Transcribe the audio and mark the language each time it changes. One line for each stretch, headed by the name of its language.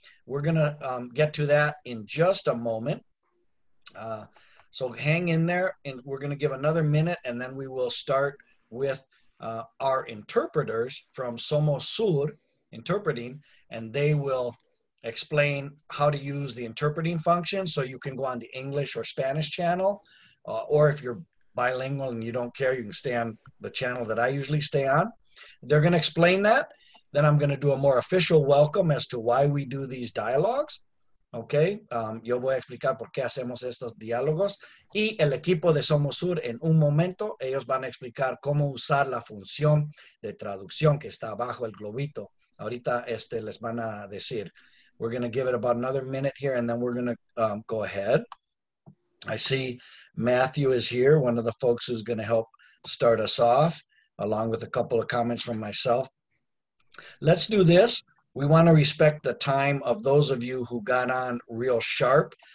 English: We're going to get to that in just a moment. So hang in there, and we're going to give another minute, and then we will start with our interpreters from Somos Sur interpreting, and they will explain how to use the interpreting function so you can go on the English or Spanish channel, or if you're bilingual and you don't care, you can stay on the channel that I usually stay on. They're going to explain that. Then I'm going to do a more official welcome as to why we do these dialogues.
Spanish: Okay, yo voy a explicar por qué hacemos estos diálogos. Y el equipo de Somos Sur, en un momento, ellos van a explicar cómo usar la función de traducción que está abajo el globito. Ahorita les van a decir.
English: We're going to give it about another minute here, and then we're going to go ahead. I see Matthew is here, one of the folks who's going to help start us off, along with a couple of comments from myself. Let's do this. We want to respect the time of those of you who got on real sharp.